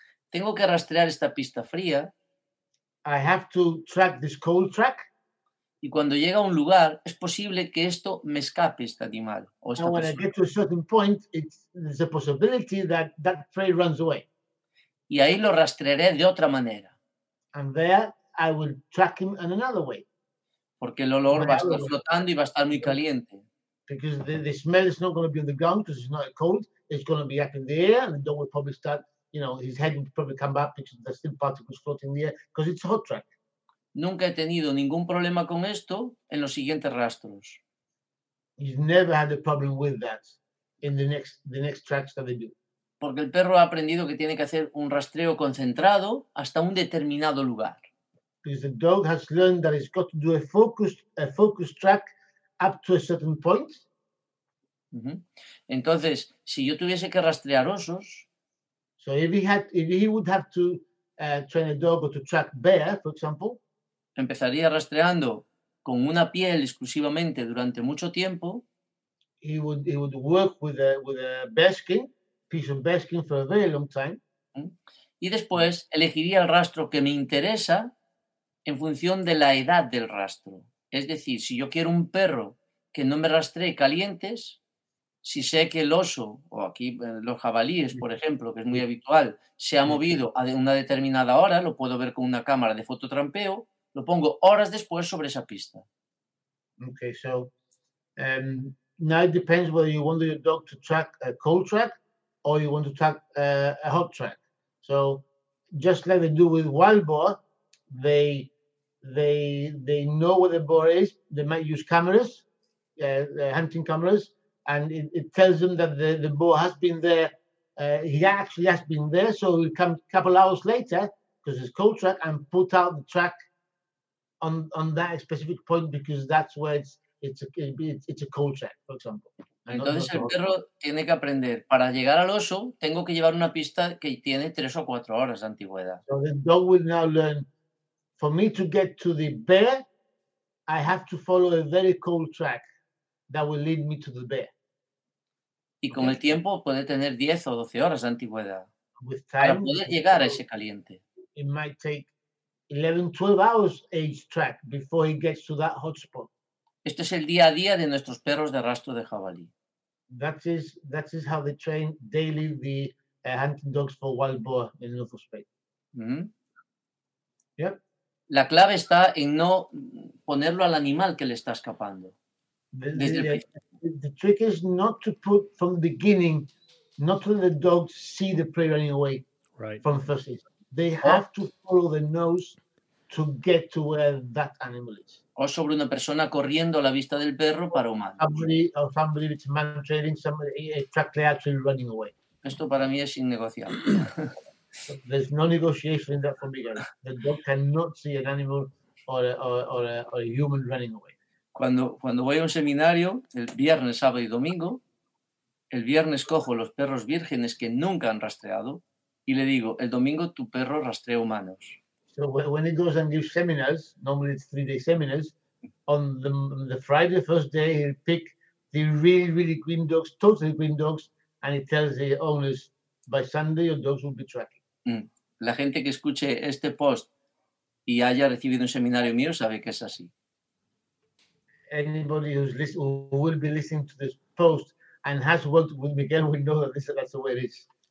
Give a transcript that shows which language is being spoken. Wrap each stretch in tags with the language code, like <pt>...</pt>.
<es>Tengo que rastrear esta pista fría.</es> <en>I have to track this cold track.</en> <es>Y cuando llega a un lugar, es posible que esto me escape este animal. O esta</es> <en>when</en> <es>persona.</es> <en>I get to a certain point, there's a possibility that prey runs away.</en> <es>Y ahí lo rastrearé de otra manera.</es> <en>And there I will track him in another way.</en> <es>Porque el olor va a estar flotando y va a estar muy caliente.</es> <en>Because the smell is not going to be on the ground because it's not cold. It's going to be up in the air and the dog will probably start, you know, his head will probably come back because there's still particles floating in the air because it's a hot track.</en> <es>Nunca he tenido ningún problema con esto en los siguientes rastros.</es> <en>He's never had a problem with that in the next tracks that they do.</en> <es>Porque el perro ha aprendido que tiene que hacer un rastreo concentrado hasta un determinado lugar.</es> <en>Because the dog has learned that it's got to do a focused track up to a certain point.</en> <es>Entonces, si yo tuviese que rastrear osos,</es> <en>so if he would have to train a dog or to track bear, for example.</en> <es>Empezaría rastreando con una piel exclusivamente durante mucho tiempo.</es> <en>He would work with a bearskin, piece of bearskin for a very long time.</en> <es>Y después elegiría el rastro que me interesa en función de la edad del rastro. Es decir, si yo quiero un perro que no me rastree calientes, si sé que el oso, o aquí los jabalíes, por ejemplo, que es muy habitual, se ha movido a una determinada hora, lo puedo ver con una cámara de fototrampeo, lo pongo horas después sobre esa pista.</es> <en>Okay, so Now it depends whether you want your dog to track a cold track or you want to track a hot track. So just like they do with wild boar, they know where the boar is. They might use cameras, hunting cameras, and it tells them that the boar has been there. He actually has been there, so he'll come a couple hours later because it's cold track and put out the track on that specific point because that's where it's a cold track, for example.</en> <es>Entonces el perro tiene que aprender. Para llegar al oso, tengo que llevar una pista que tiene 3 o 4 horas de antigüedad.</es> <en>So the dog will now learn, for me to get to the bear, I have to follow a very cold track that will lead me to the bear.</en> <es>Y con el tiempo puede tener 10 o 12 horas de antigüedad</es> <en>with time,</en> <es>para poder llegar a ese caliente.</es> <en>It might take 11, 12 hours each track before he gets to that hot spot.</en> <es>Este es el día a día de nuestros perros de rastro de jabalí.</es> <en>That is how they train daily the hunting dogs for wild boar in North of Spain. Mm-hmm. Yep.</en> <es>La clave está en no ponerlo al animal que le está escapando.</es> <en>The trick is not to put from the beginning, not to let the dogs see the prey running away right from the first season. They have to follow the nose to get to where that animal is.</en> <es>O sobre una persona corriendo a la vista del perro para un mal.</es> <en>Somebody with a man trailing, somebody a track actually running away.</en> <es>Esto para mí es innegociable.</es> <en>There's no negotiation in that for me. The dog cannot see an animal or a human running away.</en> <es>Cuando voy a un seminario, el viernes, sábado y domingo, el viernes cojo los perros vírgenes que nunca han rastreado y le digo, el domingo tu perro rastrea humanos.</es> <en>So when he goes and gives seminars, normally it's 3-day seminars, on the Friday, first day, he'll pick the really, really green dogs, totally green dogs, and he tells the owners, by Sunday your dogs will be tracking.</en> <es>La gente que escuche este post y haya recibido un seminario mío sabe que es así.</es> <en>Anybody who will be listening to this post and has worked with Miguel will know that that's the way it is.</en>